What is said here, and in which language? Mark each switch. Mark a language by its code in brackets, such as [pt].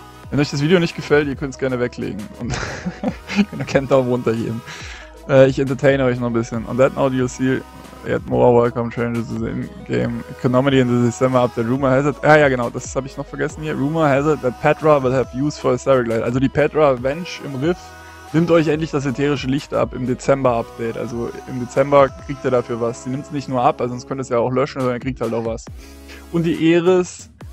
[de] Wenn euch das Video nicht gefällt, ihr könnt es gerne weglegen. Und ihr könnt einen Daumen runter geben. Ich entertaine euch noch ein bisschen. [en] On that note, you'll see yet more welcome changes to the in-game economy in the December update. Rumor has it. [de] Ah ja, genau, das habe ich noch vergessen hier. [en] Rumor has it that Petra will have use for a Seraglide. [de] Also die Petra Venge im Riff nimmt euch endlich das ätherische Licht ab im Dezember-Update. Also im Dezember kriegt ihr dafür was. Sie nimmt es nicht nur ab, also sonst könnt ihr es ja auch löschen, sondern ihr kriegt halt auch was. Und die Eris.